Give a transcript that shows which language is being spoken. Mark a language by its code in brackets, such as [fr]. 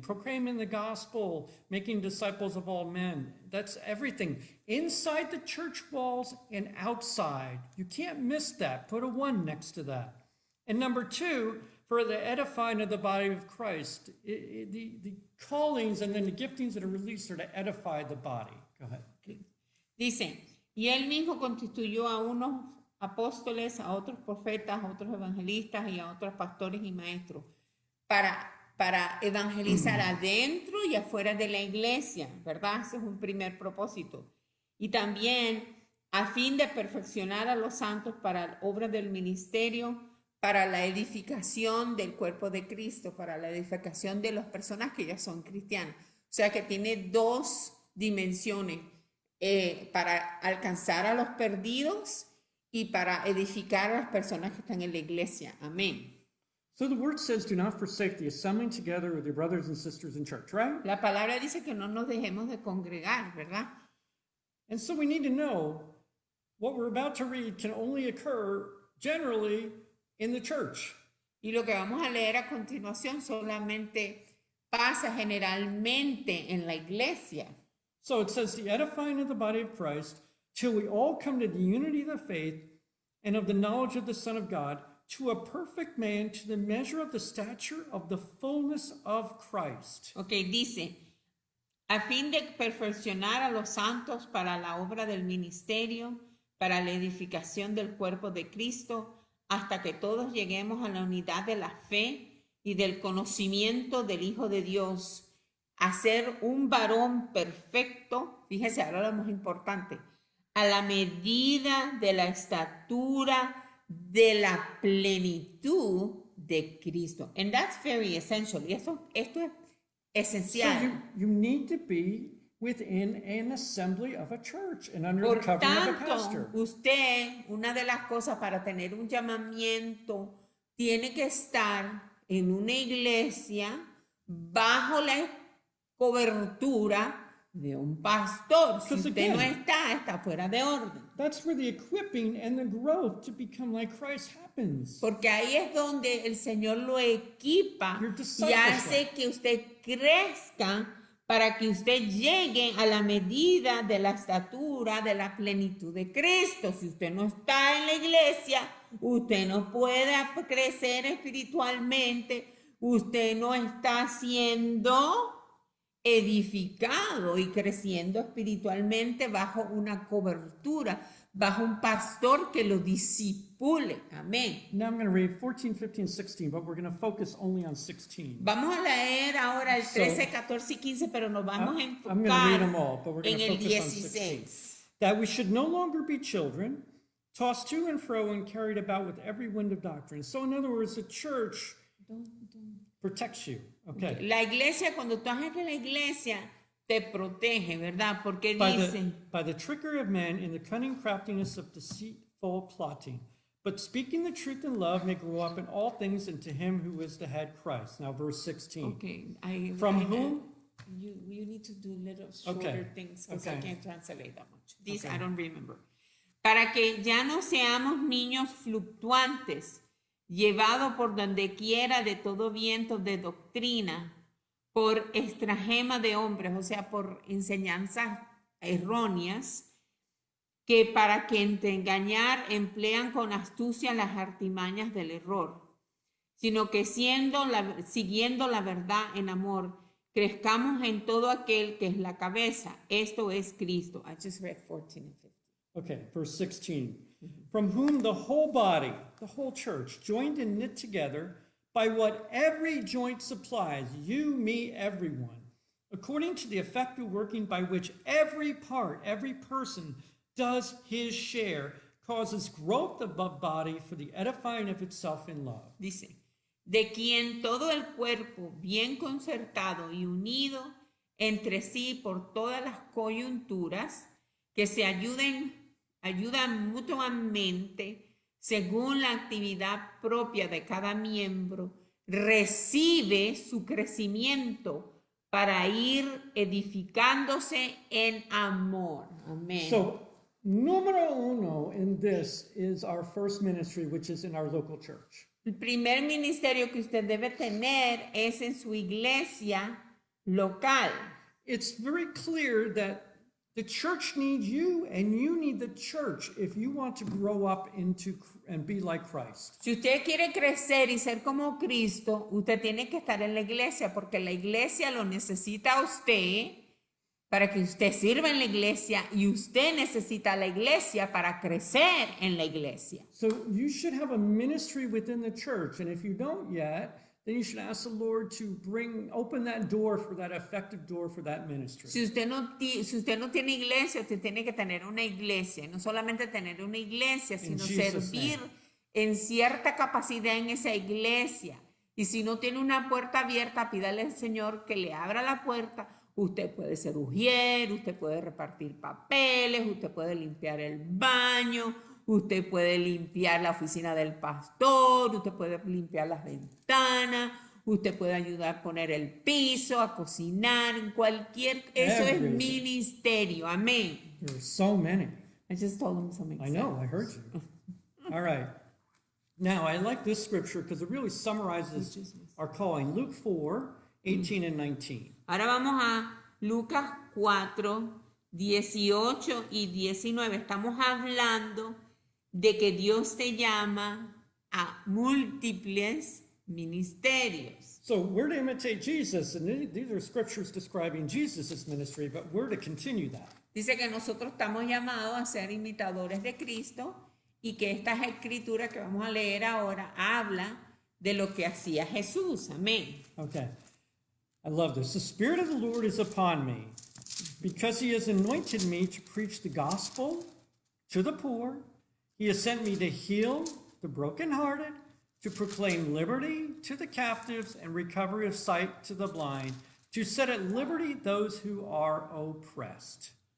[en] Proclaiming the gospel, making disciples of all men. That's everything. Inside the church walls and outside. You can't miss that. Put a one next to that. And number two, for the edifying of the body of Christ. The callings and then the giftings that are released are to edify the body. Go ahead. [es] Dice, y él mismo constituyó a unos apóstoles, a otros profetas, a otros evangelistas y a otros pastores y maestros para evangelizar adentro y afuera de la iglesia, ¿verdad? Ese es un primer propósito. Y también a fin de perfeccionar a los santos para la obra del ministerio, para la edificación del cuerpo de Cristo, para la edificación de las personas que ya son cristianas. O sea que tiene dos dimensiones, para alcanzar a los perdidos y para edificar a las personas que están en la iglesia. Amén. [en] So the word says, do not forsake the assembling together with your brothers and sisters in church, right? [es] La palabra dice que no nos dejemos de congregar, ¿verdad? [en] And so we need to know what we're about to read can only occur generally in the church. [es] Y lo que vamos a leer a continuación solamente pasa generalmente en la iglesia. [en] So it says, the edifying of the body of Christ, till we all come to the unity of the faith and of the knowledge of the Son of God, to a perfect man, to the measure of the stature of the fullness of Christ. [es] Okay, dice, a fin de perfeccionar a los santos para la obra del ministerio, para la edificación del cuerpo de Cristo, hasta que todos lleguemos a la unidad de la fe y del conocimiento del Hijo de Dios, a ser un varón perfecto. Fíjese, ahora lo más importante. A la medida de la estatura de la plenitud de Cristo. [en] And that's very essential. [es] Y esto es esencial. [en] So you need to be within an assembly of a church and under [es] Por [en] the covering [es] tanto, [en] of a pastor. [es] Usted, una de las cosas para tener un llamamiento, tiene que estar en una iglesia bajo la cobertura de un pastor. Si usted [en] again, [es] no está, está fuera de orden. [en] That's where the equipping and the growth to become like Christ happens. [es] Porque ahí es donde el Señor lo equipa y hace que usted crezca para que usted llegue a la medida de la estatura de la plenitud de Cristo. Si usted no está en la iglesia, usted no puede crecer espiritualmente. Usted no está siendo edificado y creciendo espiritualmente bajo una cobertura, bajo un pastor que lo discipule. Amén. [en] Now I'm going to read 14, 15, 16, but we're going to focus only on 16. [es] Vamos a leer ahora el 13, 14 y 15, pero nos vamos a enfocar [en] I'm going to read them all, but we're going [es] en [en] to focus [es] el 16. [en] On 16. That we should no longer be children, tossed to and fro and carried about with every wind of doctrine. So in other words, the church protects you. Okay. [es] La iglesia, cuando estás en la iglesia, te protege, ¿verdad? Porque dice, [en] by the trickery of men in the cunning craftiness of deceitful plotting. But speaking the truth in love may grow up in all things into him who is the head, Christ. Now, verse 16. Okay. You need to do little shorter things because I can't translate that much. These I don't remember. [es] Para que ya no seamos niños fluctuantes, llevados por donde quiera de todo viento de doctrina, por estratagema de hombres, o sea, por enseñanzas erróneas, que para quien te engañar emplean con astucia las artimañas del error, sino que siguiendo la verdad en amor, crezcamos en todo aquel que es la cabeza, esto es Cristo. [en] I just read 14 and 15. Okay, verse 16. From whom the whole body, the whole church, joined and knit together by what every joint supplies, you, me, everyone, according to the effective working by which every part, every person does his share, causes growth of the body for the edifying of itself in love. [es] Dice, de quien todo el cuerpo, bien concertado y unido entre sí por todas las coyunturas, que se ayudan mutuamente según la actividad propia de cada miembro, recibe su crecimiento para ir edificándose en amor. Amén. [en] So, [es] número uno [en] in this is our first ministry, which is in our local church. [es] El primer ministerio que usted debe tener es en su iglesia local. [en] It's very clear that the church needs you and you need the church if you want to grow up into and be like Christ. [es] Si usted quiere crecer y ser como Cristo, usted tiene que estar en la iglesia porque la iglesia lo necesita a usted para que usted sirva en la iglesia y usted necesita la iglesia para crecer en la iglesia. So you should have a ministry within the church, and if you don't yet, then you should ask the Lord to open that door for that effective door for that ministry. Si usted no tiene iglesia, usted tiene que tener una iglesia, no solamente tener una iglesia, sino servir en cierta capacidad en esa iglesia. Y si no tiene una puerta abierta, pídale al Señor que le abra la puerta. Usted puede ser ujier, usted puede repartir papeles, usted puede limpiar el baño, usted puede limpiar la oficina del pastor, usted puede limpiar las ventanas, usted puede ayudar a poner el piso, a cocinar, cualquier, eso es ministerio, amén. [en] There are so many. I just told him something. I know, I heard you. All right. Now, I like this scripture because it really summarizes our calling. Luke 4, 18 and 19. [es] Ahora vamos a Lucas 4, 18 y 19. Estamos hablando de que Dios te llama a múltiples ministerios. [en] So we're to imitate Jesus, and these are scriptures describing Jesus' ministry, but we're to continue that. [es] Dice que nosotros estamos llamados a ser imitadores de Cristo y que esta escritura que vamos a leer ahora habla de lo que hacía Jesús. Amén. [en] Okay. I love this. The Spirit of the Lord is upon me because he has anointed me to preach the gospel to the poor. He has sent me to heal the brokenhearted, to proclaim liberty to the captives and recovery of sight to the blind, to set at liberty those who are oppressed.